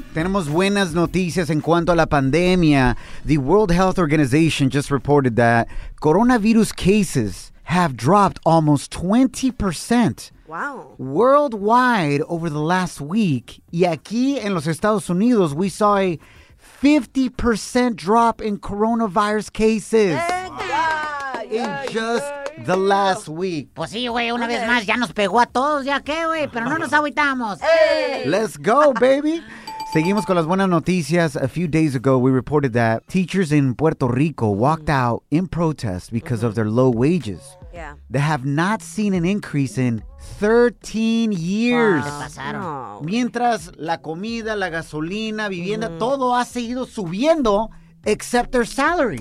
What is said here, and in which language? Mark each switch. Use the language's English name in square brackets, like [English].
[Spanish] Tenemos buenas noticias en cuanto a la pandemia. [English] The World Health Organization just reported that coronavirus cases have dropped almost 20%. Wow. Worldwide over the last week. [Spanish] Y aquí en los Estados Unidos, [English] we saw a 50% drop in coronavirus cases. Wow. In just the last week. [Spanish] Pues sí, güey, una vez más, ya nos pegó a todos, ya qué, güey, pero no nos agüitamos. [English] Hey. Let's go, baby. [Spanish] Seguimos con las buenas noticias. [English] A few days ago, we reported that teachers in Puerto Rico walked out in protest because of their low wages. Yeah. They have not seen an increase in 13 years. [Spanish] Wow. Pasaron. No. Mientras la comida, la gasolina, vivienda, todo ha seguido subiendo, [English] except their salaries.